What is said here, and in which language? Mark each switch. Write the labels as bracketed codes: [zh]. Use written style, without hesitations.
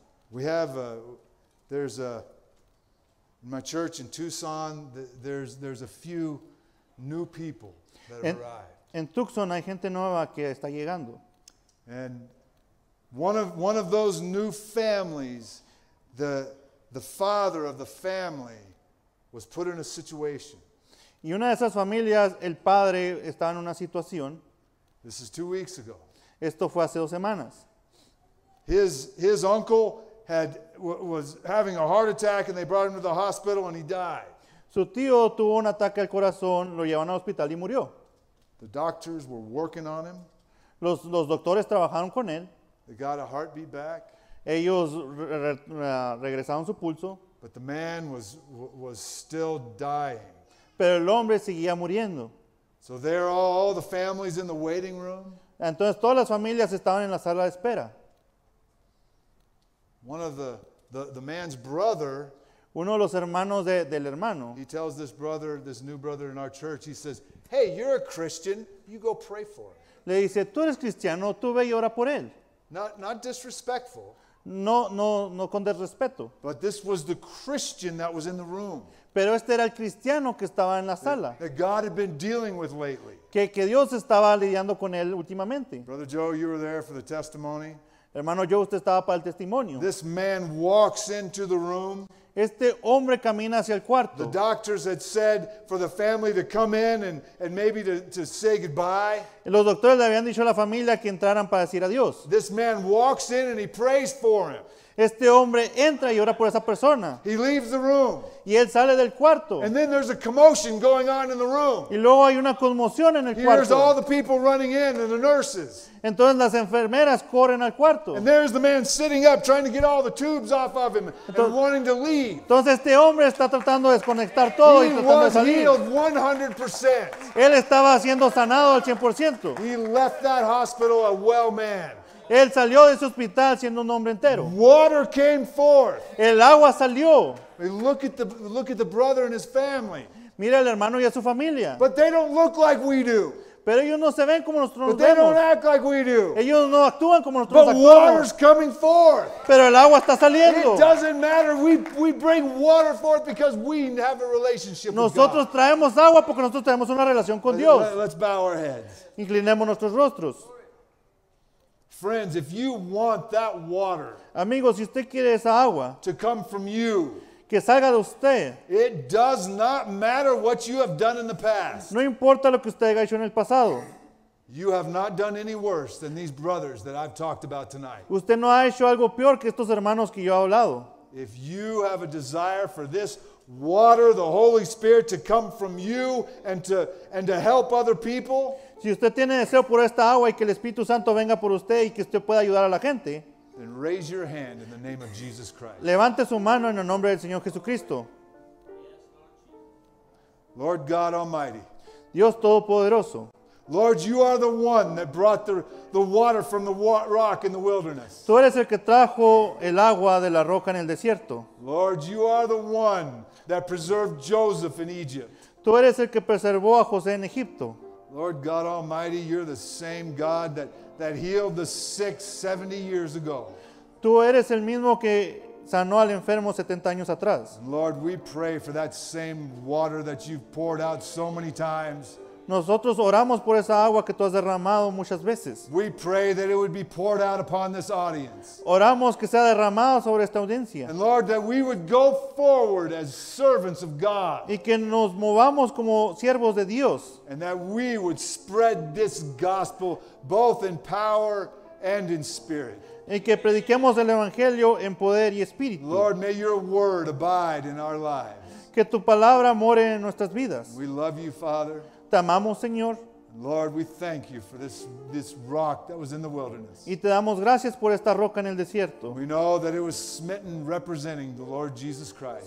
[en] We have in my church in Tucson, there's a few new people that have arrived. [es] En Tucson hay gente nueva que está llegando. [en] And one of those new families, the father of the family was put in a situation. [es] Y una de esas familias, el padre está en una situación. [en] This is 2 weeks ago. [es] Esto fue hace dos semanas. [en] His uncle was having a heart attack and they brought him to the hospital and he died. [es] Su tío tuvo un ataque al corazón, lo llevaron al hospital y murió. [en] The doctors were working on him. [es] Los doctores trabajaron con él. [en] They got a heartbeat back. [es] Ellos regresaron su pulso. [en] But the man was still dying. [es] Pero el hombre seguía muriendo. [en] So there are all the families in the waiting room. [es] Entonces todas las familias estaban en la sala de espera. [en] One of the man's brother, [es] uno de los hermanos del hermano, [en] he tells this brother, this new brother in our church, he says, "Hey, you're a Christian, you go pray for him." [es] Le dice, tú eres cristiano, tú ve y ora por él. [en] Not disrespectful. [es] No con desrespeto. [en] But this was the Christian that was in the room. [es] Pero este era el cristiano que estaba en la sala. [en] That God had been dealing with lately. [es] Que Dios estaba lidiando con él últimamente. [en] Brother Joe, you were there for the testimony. [es] Hermano Joe, usted estaba para el testimonio. [en] This man walks into the room. [es] Este hombre camina hacia el cuarto. [en] The doctors had said for the family to come in and maybe to say goodbye. [es] Los doctores le habían dicho a la familia que entraran para decir adiós. [en] This man walks in and he prays for him. [es] Este hombre entra y ora por esa persona. [en] He leaves the room. [es] Y él sale del cuarto. [en] And then there's a commotion going on in the room. [es] Y luego hay una conmoción en el [en] Here's [es] cuarto. [en] Here's all the people running in and the nurses. [es] Entonces las enfermeras corren al cuarto. [en] And there's the man sitting up trying to get all the tubes off of him and wanting to leave. [es] Entonces este hombre está tratando de desconectar todo y tratando de salir. [en] He was healed 100%. [es] Él estaba siendo sanado al 100%. [en] He left that hospital a well man. [es] Él salió de ese hospital siendo un hombre entero. [en] Water came forth. [es] El agua salió. [en] Look at the brother and his family. [es] Mira al hermano y a su familia. [en] But they don't look like we do. [es] Pero ellos no se ven como nosotros [en] But [es] nos [en] they [es] vemos. [en] Don't act like we do. [es] Ellos no actúan como nosotros [en] But [es] actuamos. [en] Water's coming forth. [es] Pero el agua está saliendo. [en] It doesn't matter. We bring water forth because we have a relationship [es] nosotros [en] with God. [es] Nosotros traemos agua porque nosotros tenemos una relación con Dios. [en] Let's bow our heads. [es] Inclinemos nuestros rostros. [en] Friends, if you want that water, [es] amigos, si usted quiere esa agua, [en] to come from you, [es] que salga de usted, [en] it does not matter what you have done in the past. [es] No importa lo que usted haya hecho en el pasado. [en] You have not done any worse than these brothers that I've talked about tonight. [es] Usted no ha hecho algo peor que estos hermanos que yo he hablado. [en] If you have a desire for this water, the Holy Spirit, to come from you and to help other people, [es] si usted tiene deseo por esta agua y que el Espíritu Santo venga por usted y que usted pueda ayudar a la gente, [en] then raise your hand in the name of Jesus Christ. [es] Levante su mano en el nombre del Señor Jesucristo. [en] Lord God Almighty. [es] Dios Todopoderoso. [en] Lord, you are the one that brought the water from the rock in the wilderness. [es] Tú eres el que trajo el agua de la roca en el desierto. [en] Lord, you are the one that preserved Joseph in Egypt. [es] Tú eres el que preservó a José en Egipto. [en] Lord God Almighty, you're the same God that healed the sick 70 years ago. [es] Tú eres el mismo que sanó al enfermo 70 años atrás. [en] Lord, we pray for that same water that you've poured out so many times. [es] Nosotros oramos por esa agua que tú has derramado muchas veces. [en] We pray that it would be poured out upon this audience. [es] Oramos que sea derramado sobre esta audiencia. [en] And Lord, that we would go forward as servants of God. [es] Y que nos movamos como siervos de Dios. [en] And that we would spread this gospel both in power and in spirit. [es] Y que prediquemos el evangelio en poder y espíritu. [en] Lord, may your word abide in our lives. [es] Que tu palabra more en nuestras vidas. [en] We love you, Father. [es] Te amamos, Señor. [en] Lord, we thank you for this rock that was in the wilderness. [es] Y te damos gracias por esta roca en el desierto. [en] We know that it was smitten representing the Lord Jesus Christ.